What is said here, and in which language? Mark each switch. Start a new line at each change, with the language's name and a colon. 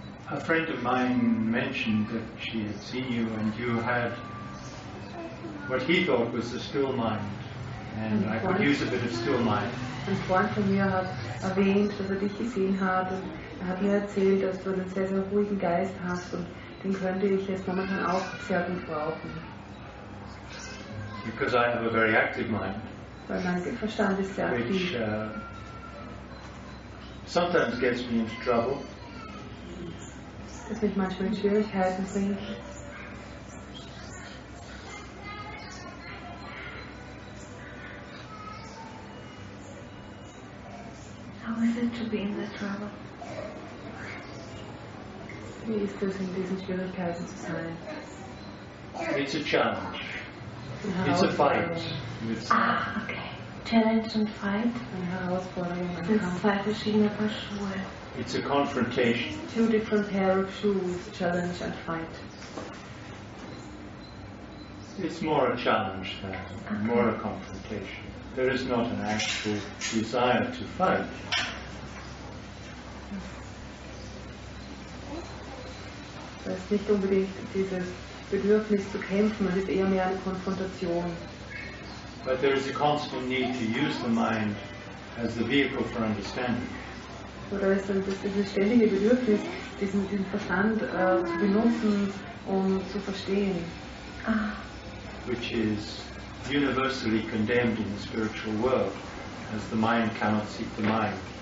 English: A friend of mine mentioned that she had seen you and you had what he thought was a still mind. And I could use a bit of still mind.
German: Ein Freund von mir hat erwähnt, dass er dich gesehen hat. Und er hat mir erzählt, dass du einen sehr, sehr ruhigen Geist hast. Und den könnte ich jetzt momentan auch sehr gut brauchen.
English: Because I have a very active mind.
German: Weil mein Verstand ist sehr aktiv.
English: Which sometimes gets me into trouble.
German: Das mich manchmal in Schwierigkeiten bringt.
English: How is it to be in this trouble?
German: Wie ist es, in diesen Schwierigkeiten zu sein?
English: It's a challenge. It's a fight. Okay. Challenge and fight.
German: Eine Herausforderung. Es sind zwei verschiedene Paar Schuhe.
English: It's a confrontation. Two different pair of shoes, challenge and fight. It's more a challenge than okay. More a confrontation. There is not an actual desire to fight.
German: Es ist nicht unbedingt dieses Bedürfnis zu kämpfen, es ist eher mehr eine Konfrontation.
English: But there is a constant need to use the mind as the vehicle for understanding.
German: Oder ist das dieses ständige Bedürfnis, diesen Verstand zu benutzen, um zu verstehen?
English: Which is universally condemned in the spiritual world, as the mind cannot see the mind.